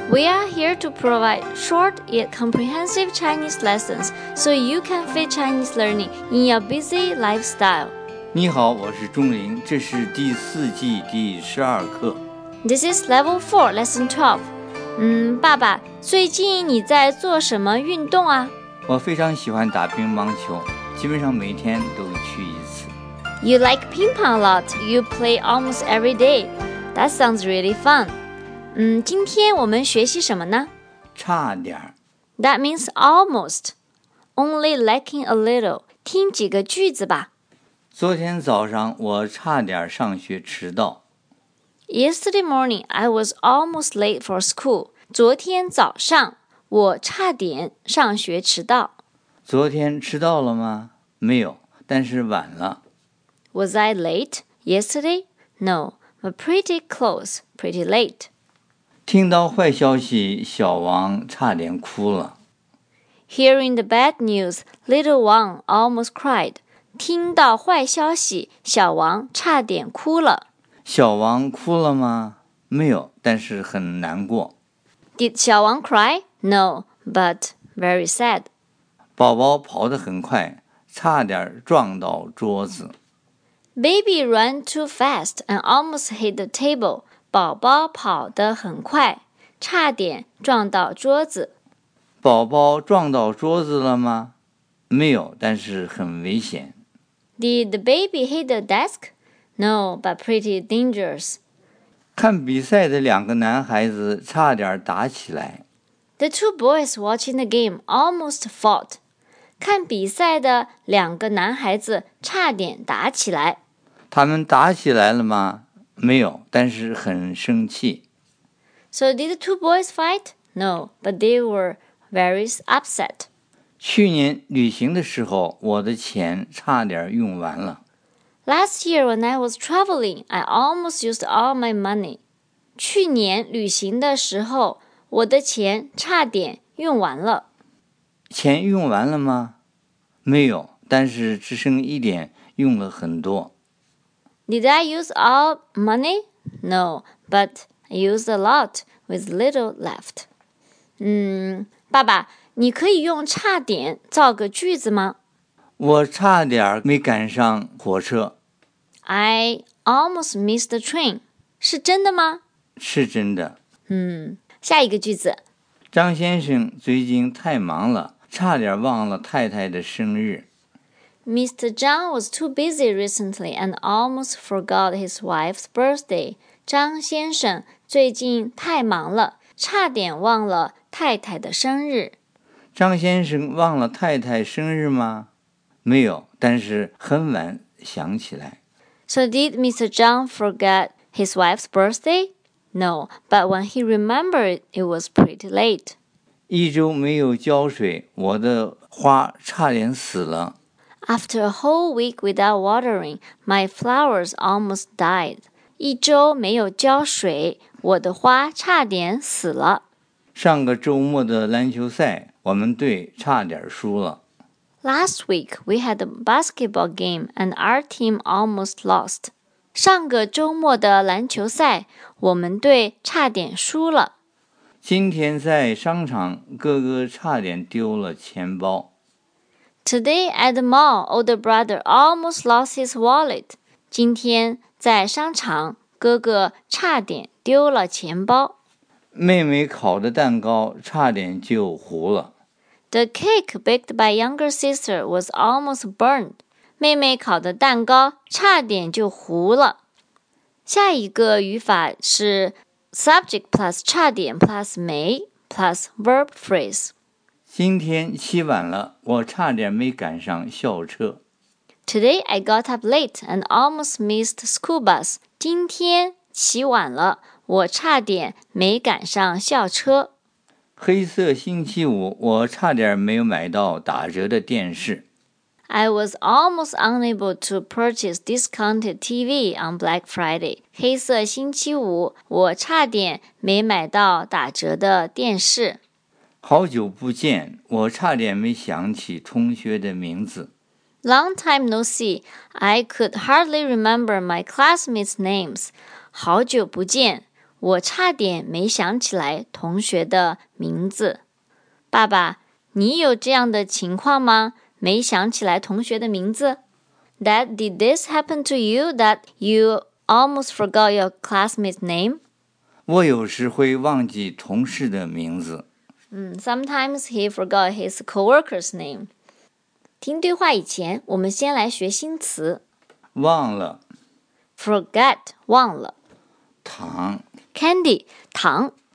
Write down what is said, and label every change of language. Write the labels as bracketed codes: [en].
[en] We are here to provide short yet comprehensive Chinese lessons so you can fit Chinese learning in your busy lifestyle. [zh] 你好，我是钟琳，这是第四季第十二课。 [en] This is level 4, lesson 12. [zh] 爸爸，最近你在做什么运动啊？我非常喜欢打乒乓球，基本上每天都去一次。 [en] You like ping pong a lot. You play almost every day. That sounds really fun. [zh] 今天我们学习什么呢？差点。 [en] That means almost. Only lacking a little. [zh] 听几个句子吧。昨天早上我差点上学迟到。 [en] Yesterday morning, I was almost late for school. [zh] 昨天早上我差点上学迟到。昨天迟到了吗？没有，但是晚了。 [en] Was I late yesterday? No, but pretty close, pretty late. [zh] 听到坏消息，小王差点哭了。 [en] Hearing the bad news, little Wang almost cried. [zh] 听到坏消息，小王差点哭了。小王哭了吗？没有，但是很难过。 [en] Did 小王 cry? No, but very sad. [zh] 宝宝跑得很快，差点撞到桌子。 [en] Baby ran too fast and almost hit the table. [zh] 宝宝跑得很快，差点撞到桌子。宝宝撞到桌子了吗？没有，但是很危险。 [en] Did the baby hit the desk? No, but pretty dangerous. [zh] 看比赛的两个男孩子差点打起来。 [en] The two boys watching the game almost fought. [zh] 看比赛的两个男孩子差点打起来。他们打起来了吗？没有，但是很生气。 [en] So did the two boys fight? No, but they were very upset. [zh] 去年旅行的时候，我的钱差点用完了。 [en] Last year when I was traveling, I almost used all my money. [zh] 去年旅行的时候，我的钱差点用完了。钱用完了吗？没有，但是只剩一点，用了很多。 [en] Did I use all money? No, but I used a lot with little left. [zh] 爸爸，你可以用差点造个句子吗？我差点没赶上火车。 [en] I almost missed the train. [zh] 是真的吗？是真的。下一个句子。张先生最近太忙了。差点忘了太太的生日。 [en] Mr. Zhang was too busy recently and almost forgot his wife's birthday. [zh] 张先生最近太忙了，差点忘了太太的生日。张先生忘了太太生日吗？没有，但是很晚想起来。 [en] So did Mr. Zhang forget his wife's birthday? No, but when he remembered, it was pretty late. [zh] 一周没有浇水，我的花差点死了。 [en] After a whole week without watering, my flowers almost died. [zh] 一周没有浇水，我的花差点死了。上个周末的篮球赛，我们队差点输了。 [en] Last week, we had a basketball game and our team almost lost. [zh] 上个周末的篮球赛，我们队差点输了。今天在商场，哥哥差点丢了钱包。 [en] Today at the mall, older brother almost lost his wallet. [zh] 今天在商场，哥哥差点丢了钱包。妹妹烤的蛋糕差点就糊了。 [en] The cake baked by younger sister was almost burned. [zh] 妹妹烤的蛋糕差点就糊了。下一个语法是 [en] Subject plus 差点 plus 没 plus verb phrase. [zh] 今天起晚了，我差点没赶上校车。 [en] Today I got up late and almost missed school bus. [zh] 今天起晚了，我差点没赶上校车。黑色星期五，我差点没有买到打折的电视。 [en] I was almost unable to purchase discounted TV on Black Friday. [zh] 黑色星期五，我差点没买到打折的电视。好久不见，我差点没想起同学的名字。 [en] Long time no see. I could hardly remember my classmates' names. [zh] 好久不见，我差点没想起来同学的名字。爸爸，你有这样的情况吗？没想起来同学的名字？ [en] Dad, did this happen to you that you almost forgot your classmate's name? [zh] 我有时会忘记同事的名字。 [en] Sometimes he forgot his co-worker's name. [zh] 听对话以前，我们先来学新词。忘了。 [en] Forget, 忘了。 [zh] 糖。 [en] Candy, 糖。